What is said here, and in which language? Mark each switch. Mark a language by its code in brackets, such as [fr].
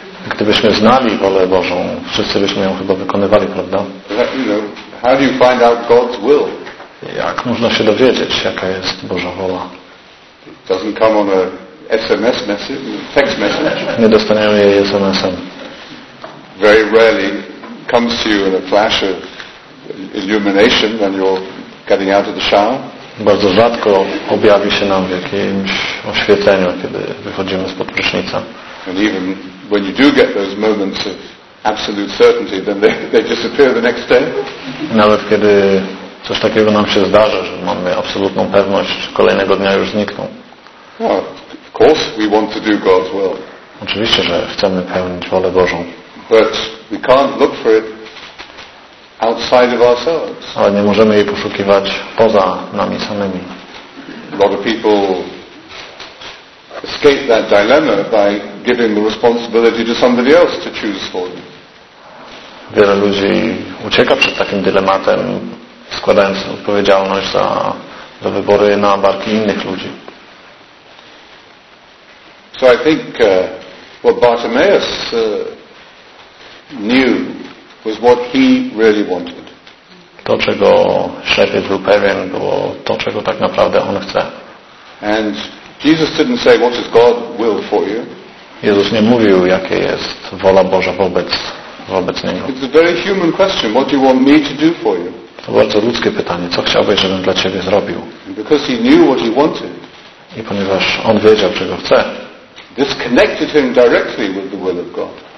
[pl] Gdybyśmy znali wolę Bożą, wszyscy byśmy ją chyba wykonywali, prawda? [en] How do you find out God's will? [pl] Jak można się dowiedzieć, jaka jest Boża wola? [en] It doesn't come on a SMS message, text message. [pl] Nie dostaniemy jej SMS-em. [en] Very rarely comes to you in a flash of illumination when you're getting out of the shower. [pl] Bardzo rzadko objawi się nam w jakimś oświeceniu, kiedy wychodzimy spod prysznica. [en] And even when you do get those moments of absolute certainty, then they disappear the next day. [pl] Nawet kiedy coś takiego nam się zdarza, że mamy absolutną pewność, kolejnego dnia już znikną. [en] Of course we want to do God's will. [pl] Oczywiście, że chcemy pełnić wolę Bożą. [en] But we can't look for it outside of ourselves. [pl] Ale nie możemy jej poszukiwać poza nami samymi. [en] A lot of people escape that dilemma by giving the responsibility to somebody else to choose for them. [pl] Wiele ludzi ucieka przed takim dylematem, składając odpowiedzialność za wybory na barki innych ludzi. [en] So I think what Bartimaeus knew was what he really wanted. [pl] To, czego ślepiec był pewien, było to, czego tak naprawdę on chce. [en] And Jesus didn't say, what is God will for you? [pl] Jezus nie mówił, jakie jest wola Boża wobec niego. [en] It's a very human question. What do you want me to do for you? [pl] To bardzo ludzkie pytanie. Co chciałbyś, żebym dla ciebie zrobił? [en] Because he knew what he wanted. [pl] I ponieważ on wiedział, czego chce. [en] This connected him directly with the will of God.